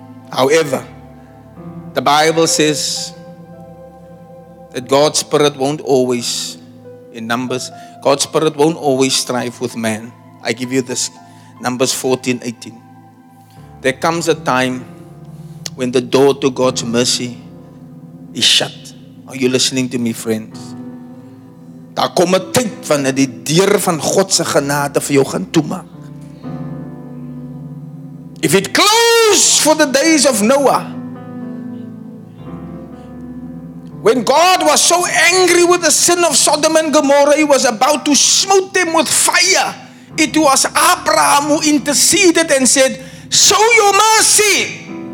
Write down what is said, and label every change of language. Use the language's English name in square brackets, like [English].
[English] However, the Bible says that God's Spirit won't always, in Numbers, God's Spirit won't always strive with man. I give you this, Numbers 14, 18. There comes a time when the door to God's mercy is shut. Are you listening to me, friends? [Afrikaans] Daar kom 'n tyd wanneer die deur van God se genade vir jou gaan toemaak. [English] If it closed for the days of Noah, when God was so angry with the sin of Sodom and Gomorrah, He was about to smote them with fire. It was Abraham who interceded and said, show your mercy.